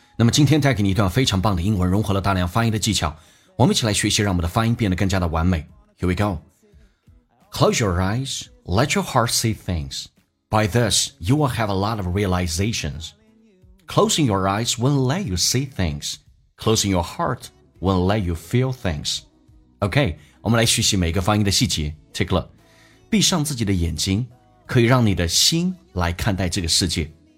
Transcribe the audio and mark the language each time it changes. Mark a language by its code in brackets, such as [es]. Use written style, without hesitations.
[zh] 那么今天带给你一段非常棒的英文，融合了大量发音的技巧，我们一起来学习，让我们的发音变得更加的完美。 [en] Here we go. Close your eyes, let your heart see things. By this, you will have a lot of realizations. Closing your eyes will let you see things. Closing your heart will let you feel things. [zh] OK, 我们来学习每一个发音的细节。 [en] Take a look. [zh] 闭上自己的眼睛可以让你的心来看待这个世界。